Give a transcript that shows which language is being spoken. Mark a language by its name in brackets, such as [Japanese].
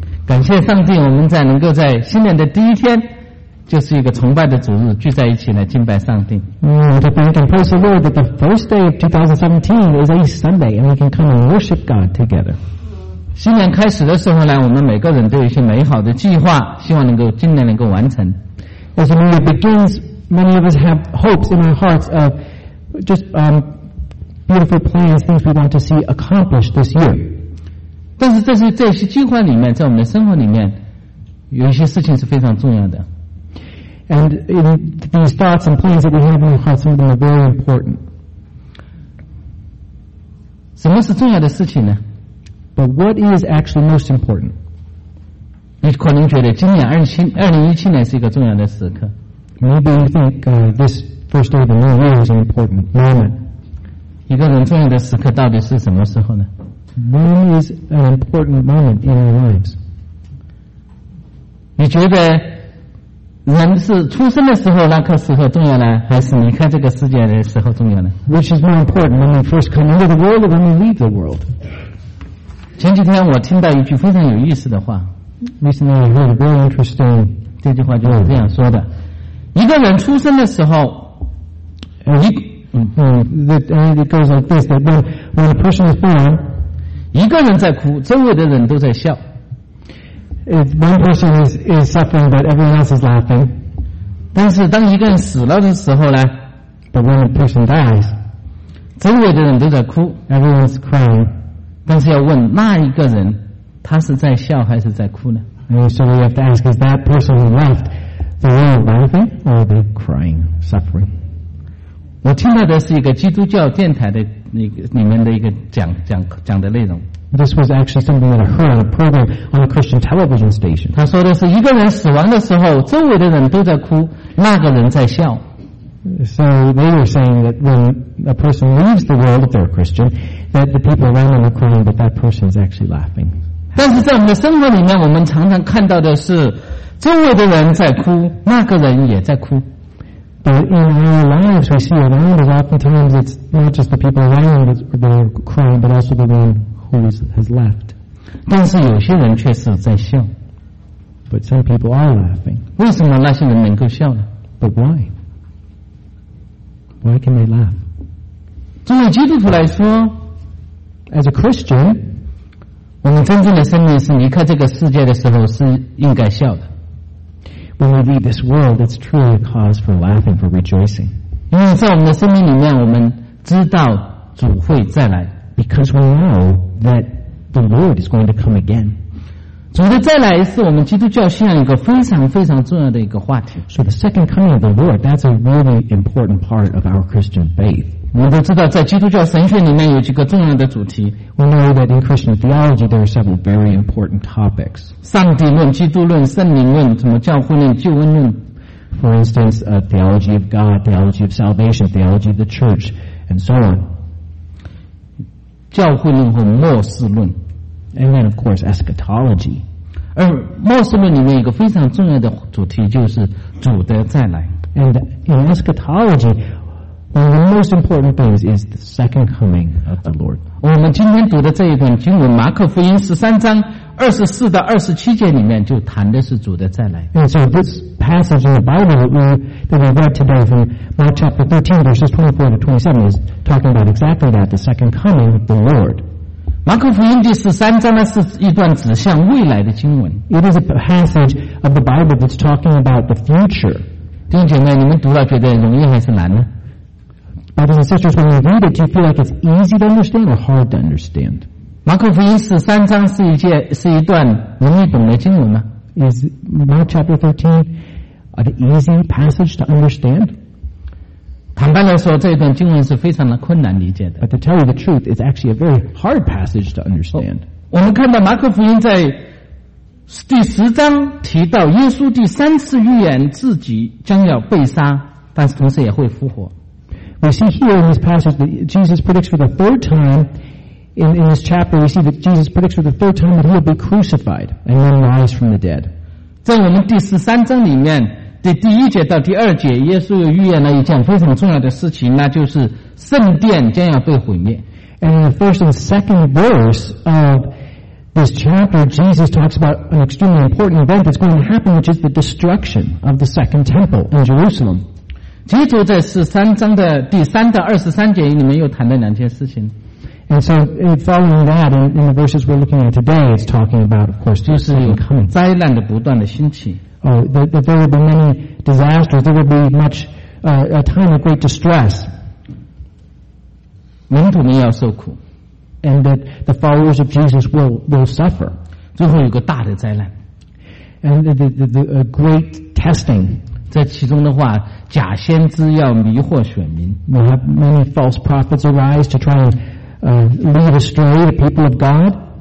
[Chinese] 感谢上帝，我们在能够在新年的第一天，就是一个崇拜的主日，聚在一起来敬拜上帝。 [English] The bank and praise the Lord that the first day of 2017 is a Sunday and we can come and worship God together. [Chinese] 新年开始的时候呢，我们每个人都有一些美好的计划，希望能够今年能够完成。 [English] As the new year begins, many of us have hopes in our hearts of just beautiful plans, things we want to see accomplished this year. [Chinese] 但是这些计划里面，在我们的生活里面，有一些事情是非常重要的。 [English] And in these thoughts and plans that we have in our hearts, some of them are very important. [Chinese] 什么是重要的事情呢？ [English] But what is actually most important? [Chinese] 你可能觉得今年2017年是一个重要的时刻。 [English] Maybe you think this first day of the new year is an important moment. [Chinese] 一个人重要的时刻到底是什么时候呢？ [English] When is an important moment in our lives? [Chinese] 你觉得人是出生的时候那颗时候重要呢，还是离开这个世界的时候重要呢？ [English] Which is more important, when we first come into the world or when we leave the world? [Chinese] 前几天我听到一句非常有意思的话。 [English] Recently I heard a very interesting [Chinese] 这句话就是这样说的。一个人出生的时候 [English] it goes like this, that when a person is born, [Chinese] 一个人在哭，周围的人都在笑。 [English] If one person is suffering, but everyone else is laughing. [Chinese] 但是当一个人死了的时候呢， [English] but when a person dies, [Chinese] 周围的人都在哭， [English] everyone's crying. [Chinese] 但是要问那一个人，他是在笑还是在哭呢？ [English] And so we have to ask, is that person who left the world laughing or they crying, suffering? [Chinese] 我听到的是一个基督教电台的那个里面的一个讲的内容。 [English] This was actually something that I heard on a program on a Christian television station. [Chinese] 他说的是一个人死亡的时候，周围的人都在哭，那个人在笑。 [English] So they were saying that when a person leaves the world, if they're a Christian, that the people around them are crying, but that person is actually laughing. [Chinese] 但是在我们的生活里面，我们常常看到的是周围的人在哭，那个人也在哭。 [English] But in our lives, we see around us oftentimes it's not just the people around us that are crying, but also the one who has left. [Chinese] 但是有些人却是在笑。 [English] But some people are laughing. [Chinese] 为什么那些人能够笑呢？ [English] But why? Why can they laugh? [Chinese] 作为基督徒来说， [English] As a Christian, [Chinese] 我们真正的生命是离开这个世界的时候是应该笑的。 [English] When we leave this world, it's truly a cause for laughing, for rejoicing. [Chinese] 因为在我们的生命里面，我们知道主会再来。 [English] Because we know that the Lord is going to come again. [Chinese] 主的再来是我们基督教信仰一个非常非常重要的一个话题。 [English] So the second coming of the Lord, that's a really important part of our Christian faith. [Chinese] 我们都知道在基督教神学里面有几个重要的主题。 [English] We know that in Christian theology there are several very important topics. [Chinese] 上帝论、基督论、圣灵论、什么教会论、救恩论。 [English] For instance, theology of God, theology of salvation, theology of the church, and so on. [Chinese] 教会论和末世论。 [English] And then of course, eschatology. [Chinese] 而末世论里面一个非常重要的主题就是主的再来。 [English] And in eschatology,one of the most important things is the second coming of the Lord. [Chinese] 我们今天读的这一段经文，马可福音13:24-27里面就谈的是主的再来。 [English] And so this passage in the Bible that we read today from Mark chapter 13 verses 24-27 is talking about exactly that, the second coming of the Lord. [Chinese] 马可福音第十三章呢是一段指向未来的经文。 [English] It is a passage of the Bible that's talking about the future. [Chinese] 弟兄姐妹，你们读了觉得容易还是难呢？ [English] Brothers and sisters, when you read it, do you feel like it's easy to understand or hard to understand? [Chinese] 马可福音十三章是一段容易懂的经文吗？ [English] Is Mark chapter 13 an easy passage to understand? [Chinese] 坦白来说，这段经文是非常的困难理解的。 [English] But to tell you the truth, it's actually a very hard passage to understand. [Chinese] 我们看到马可福音在第十章提到耶稣第三次预言自己将要被杀，但是同时也会复活。 [English] We see here in this passage that Jesus predicts for the third time, in this chapter, we see that Jesus predicts for the third time that he will be crucified and then rise from the dead. [Chinese] 在我们第十三章里面，第第一节到第二节，耶稣又预言了一件非常重要的事情，那就是圣殿将要被毁灭。 [English] And in the first and second verse of this chapter, Jesus talks about an extremely important event that's going to happen, which is the destruction of the second temple in Jerusalem. [Chinese] 接着在十三章的第三到二十三节里面又谈了两件事情。 [English] And so following that, in the verses we're looking at today, it's talking about, of course, the coming. [Chinese] 灾难的不断的兴起。 [English] Oh, that there will be many disasters, there will be much, a time of great distress. [Chinese] 门徒们要受苦。 [English] And that the followers of Jesus will suffer. [Chinese] 最后有个大的灾难。 [English] And the great testing. [Chinese] 在其中的话，假先知要迷惑选民。 [English] We have many false prophets arise to try andlead astray the people of God.